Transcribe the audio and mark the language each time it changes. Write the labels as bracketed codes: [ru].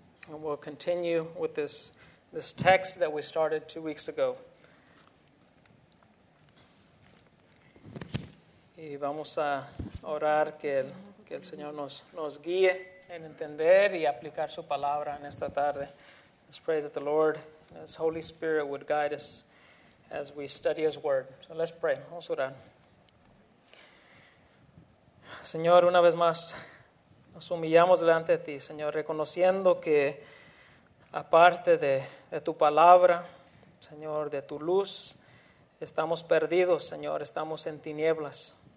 [en] And we'll continue with this text that we started 2 weeks ago. [es] Y vamos a orar que el Señor nos guíe en entender y aplicar su palabra en esta tarde. [en] Let's pray that the Lord and His Holy Spirit would guide us as we study His Word. So let's pray. [es] Vamos a orar. Señor, una vez más, nos humillamos delante de Ti, Señor, reconociendo que aparte de Tu palabra, Señor, de Tu luz, estamos perdidos, Señor, estamos en tinieblas.